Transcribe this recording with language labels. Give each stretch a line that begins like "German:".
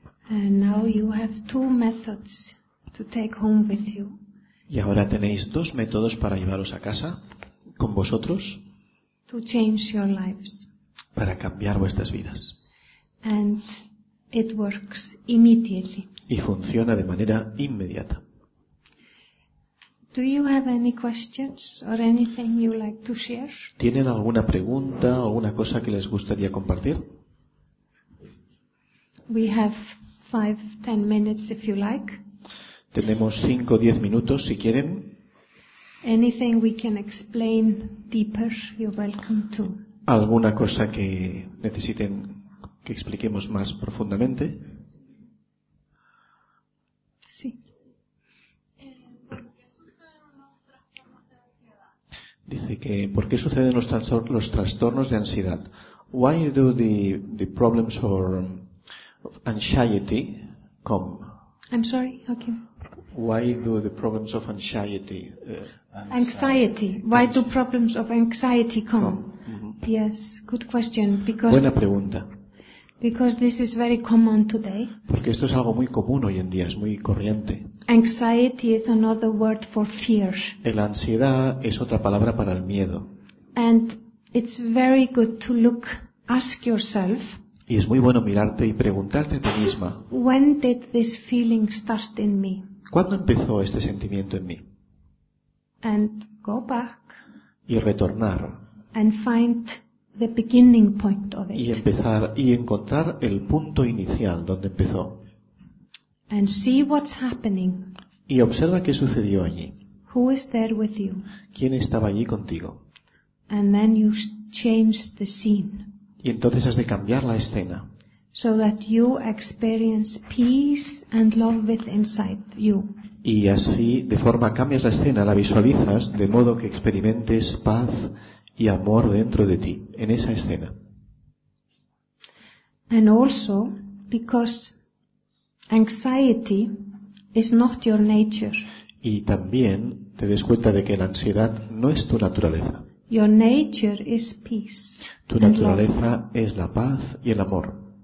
English: And now you have two methods to take home with you.
Spanish: Y ahora tenéis dos métodos para llevaros a casa con vosotros.
English: To change your lives.
Spanish: Para cambiar vuestras vidas.
English: And it works immediately.
Spanish: Y funciona de manera inmediata.
English: Do you have any questions or anything you like to share?
Spanish: ¿Tienen alguna pregunta o alguna cosa que les gustaría compartir?
English: We have 5-10 minutes if you like.
Spanish: Tenemos 5-10 minutos si quieren.
English: Anything we can explain deeper, you're welcome to.
Spanish: ¿Alguna cosa que necesiten que expliquemos más profundamente? Sí. Dice que ¿por qué suceden los trastornos de ansiedad?
English: Why do the problems or anxiety come? I'm sorry, okay. Why do the problems of anxiety? Anxiety. Why do problems of anxiety come? Mm-hmm. Yes, good question. Because
Spanish: buena pregunta.
English: Because this is very common today.
Spanish: Porque esto es algo muy común hoy en día, es muy corriente.
English: Anxiety is another word for fear.
Spanish: La ansiedad es otra palabra para el miedo.
English: And it's very good to look, ask yourself.
Spanish: Y es muy bueno mirarte y preguntarte a ti misma.
English: When did this feeling start in me?
Spanish: ¿Cuándo empezó este sentimiento en mí?
English: And go back.
Spanish: Y retornar.
English: And find the beginning point of it.
Spanish: Y empezar y encontrar el punto inicial donde empezó.
English: And see what's happening.
Spanish: Y observa qué sucedió allí.
English: Who is there with you?
Spanish: ¿Quién estaba allí contigo?
English: And then you change the scene.
Spanish: Y entonces has de cambiar la escena.
English: So that you experience peace and love with inside you.
Spanish: Y así, de forma, cambias la escena, la visualizas, de modo que experimentes paz y amor dentro de ti, en esa escena.
English: And also, because anxiety is not your nature.
Spanish: Y también te des cuenta de que la ansiedad no es tu naturaleza.
English: Your nature is peace.
Spanish: Tu naturaleza es la paz y el amor.